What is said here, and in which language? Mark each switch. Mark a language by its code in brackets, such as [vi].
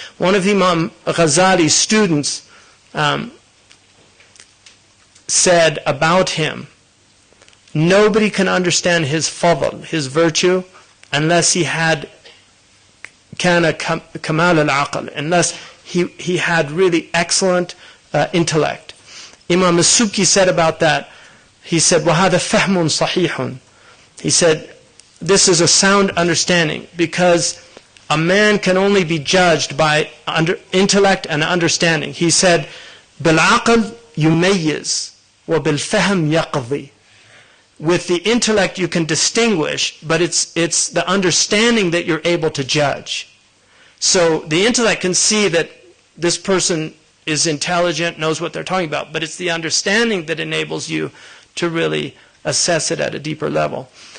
[en] One of Imam Ghazali's students said about him, nobody can understand his fadl, his virtue, unless he had [ar] kana kamal al-aql, [en] unless he had really excellent intellect. Imam Masuki said about that, he said, [ar] وَهَذَا فَهْمٌ صَحِيحٌ. [en] He said, this is a sound understanding, because a man can only be judged by intellect and understanding. He said, [ar] بِالْعَقْل يُمَيِّز وَبِالْفَهْم يَقْضِي. [en] With the intellect you can distinguish, but it's the understanding that you're able to judge. So the intellect can see that this person is intelligent, knows what they're talking about, but it's the understanding that enables you to really assess it at a deeper level.